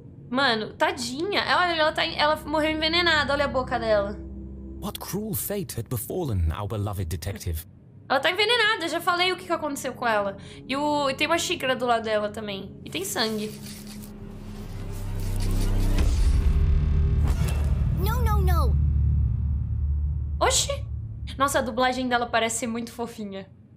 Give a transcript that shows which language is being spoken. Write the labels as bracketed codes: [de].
[pt] Mano, tadinha. Olha, ela morreu envenenada. Olha a boca dela. [en] What cruel fate had befallen our beloved detective? [pt] Ela tá envenenada, já falei o que aconteceu com ela. E tem uma xícara do lado dela também. E tem sangue. Não, não, não! Oxi! Nossa, a dublagem dela parece ser muito fofinha.